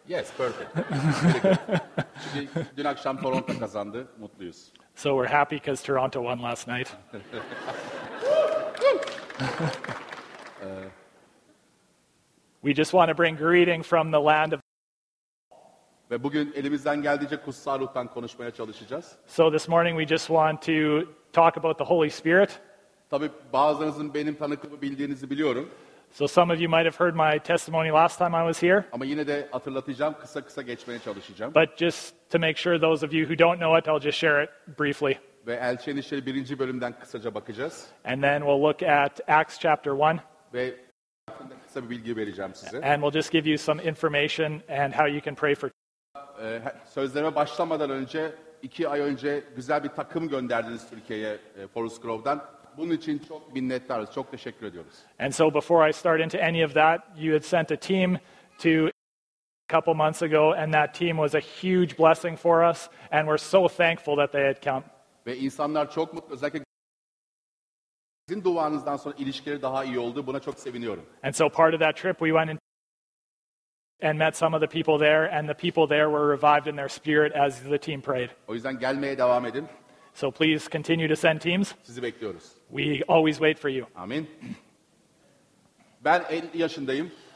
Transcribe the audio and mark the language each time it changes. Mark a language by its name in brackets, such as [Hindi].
[English] Yes, perfect. Really good. [Turkish] Dün akşam Toronto kazandı. Mutluyuz. [English] So we're happy because Toronto won last night. We just want to bring greeting from the land of [Turkish] ve bugün elimizden geldiğince kutsal ruhtan konuşmaya çalışacağız. [English] So this morning we just want to talk about the Holy Spirit. [Turkish] Tabii bazılarınızın benim tanıklığımı bildiğinizi biliyorum. [English] So some of you might have heard my testimony last time I was here. [Turkish] Ama yine de hatırlatacağım, kısa kısa geçmeye çalışacağım. [English] But just to make sure those of you who don't know it, I'll just share it briefly. [Turkish] Ve Elçilerin İşleri 1. bölümden kısaca bakacağız. [English] And then we'll look at Acts chapter 1. [Turkish] Ve hakkında kısa bir bilgi vereceğim size. [English] And we'll just give you some information and how you can pray for [Turkish] sözlerime başlamadan önce iki ay önce güzel bir takım gönderdiniz Türkiye'ye Forest Grove'dan. Bunun için çok minnettarız. Çok teşekkür ediyoruz. [English] And so before I start into any of that, you had sent a team to a couple months ago and that team was a huge blessing for us and we're so thankful that they had come. [Turkish] Ve insanlar çok mutlu. Özellikle sizin duanızdan sonra ilişkileri daha iyi oldu. Buna çok seviniyorum. [English] And so part of that trip we went and met some of the people there, and the people there were revived in their spirit as the team prayed. [Turkish] O yüzden gelmeye devam edin. [English] So please continue to send teams. [Turkish] Sizi bekliyoruz. [English] We always wait for you. [Turkish] Amin. Ben 50 yaşındayım.